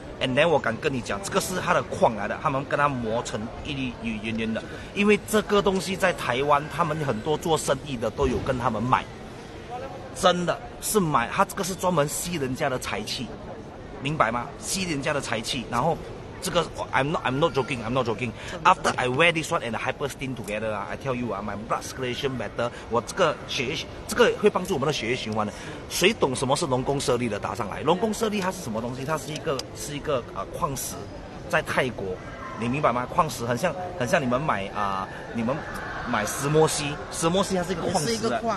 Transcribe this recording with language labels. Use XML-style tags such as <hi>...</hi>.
<en>And then</en> <zh>我敢跟你讲，这个是它的矿来的，他们跟它磨成一粒一圆圆的，因为这个东西在台湾，他们很多做生意的都有跟他们买，真的是买，它这个是专门吸人家的财气。明白吗？吸人家的财气，然后这个</zh> <en>I'm not joking. After I wear this one and hyperstin together, I tell you, my blood circulation better.</en> <zh>我这个血液，这个会帮助我们的血液循环的。谁懂什么是龙宫舍利的？打上来，龙宫舍利它是什么东西？它是一个矿石，在泰国，你明白吗？矿石很像你们买啊、你们。买石墨烯它是一个矿石的，</zh>